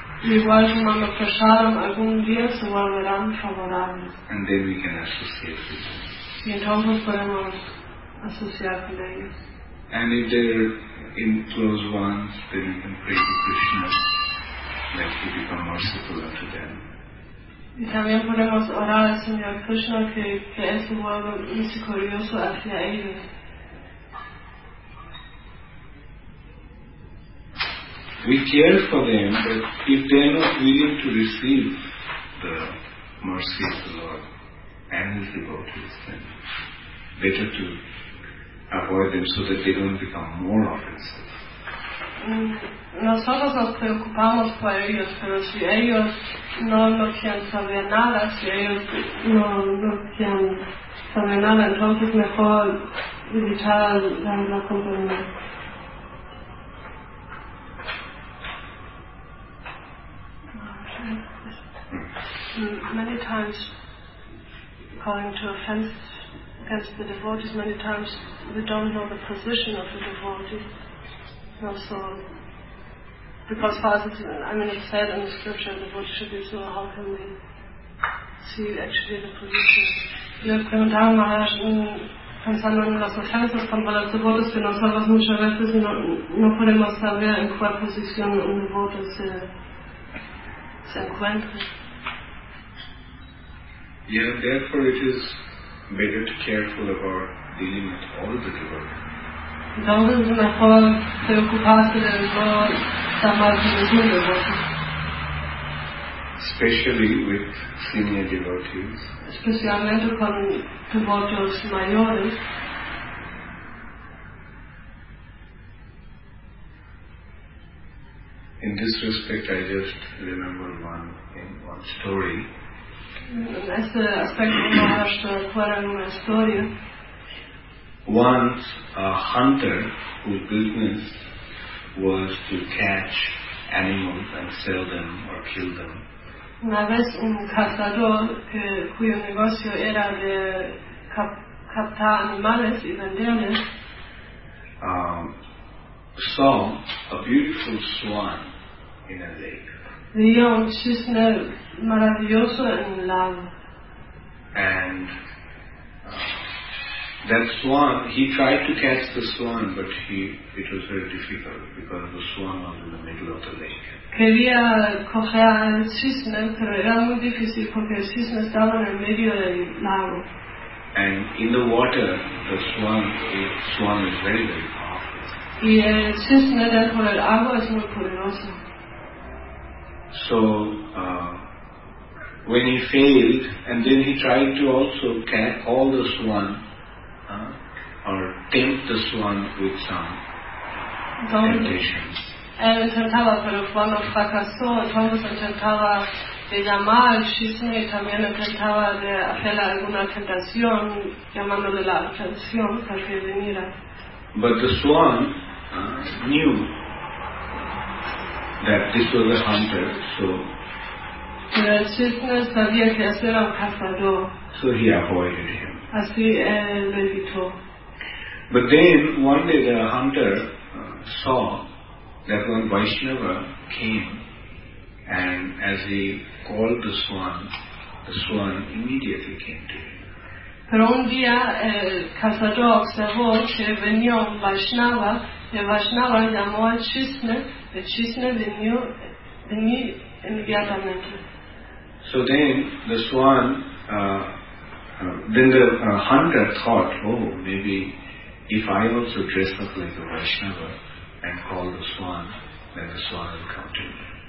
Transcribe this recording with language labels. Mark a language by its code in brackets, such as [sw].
[es] Igual si mando prasad, algún día se volverán favorables. [en] And then we can associate with them. [es] Y entonces podemos asociar con ellos. [en] And if they're in close ones, then you can pray to Krishna that he become merciful unto them. [es] Y también podemos orar al Señor Krishna que él se vuelva misericordioso hacia ellos. [en] We care for them, but if they're not willing to receive the mercy of the Lord and his devotees, then better to avoid them so that they don't become more offensive. [es] Nosotros nos preocupamos por ellos, pero si ellos no lo quieren saber nada, si ellos no quieren saber nada, entonces mejor evitar la compañía. [en] Many times calling to offense against the devotees, many times we don't know the position of the devotee. Also, because for us, it's said in the scripture, the devotee should be so, how can we see actually the position? [es] Yo preguntaba, Maharaj, pensando en las ofensas contra los devotos, que nosotros muchas veces no podemos saber en cuál posición un devoto se encuentra. [en] Yeah, therefore it is better to careful about dealing with all the devotees. [es] Entonces es mejor preocuparse de no estar mal con ningún devoto. [en] especially with senior devotees. [es] Especialmente con devotos mayores. [en] In this respect, I just remember one story. [es] En este aspecto me acuerdo de una historia. [en] Once a hunter whose business was to catch animals and sell them or kill them. [es] Una vez un cazador cuyo negocio era de captar animales y venderlos. [en] Saw a beautiful swan in a lake. [es] Vio un cisne maravilloso en el lago. [en] And that swan, he tried to catch the swan, but it was very difficult because the swan was in the middle of the lake. [es] Quería coger al cisne, pero era muy difícil porque el cisne estaba en el medio del lago. [en] And in the water, the swan is very, very powerful. [es] Y el cisne dentro del agua es muy poderoso. [en] So when he failed, and then he tried to also catch all the swan, or tempt the swan with some temptations. [es] Él intentaba, pero cuando fracasó, entonces intentaba de llamar al cisne y también intentaba de hacer alguna tentación, llamándole la atención para que viniera. [en] But the swan knew that this was a hunter, so. [es] Pero el cisne sabía que este era un cazador. [en] So he avoided him. [es] Así él evitó. [en] But then one day the hunter saw that one Vaishnava came, and as he called the swan immediately came to him. [es] Pero un día el cazador observó que venía un Vaishnava, y Vaishnava llamó al cisne, el cisne venía inmediatamente. [en] So then the swan, hunter thought, oh, maybe if I also dress up like a Vaishnava and call the swan, then the swan will come to me.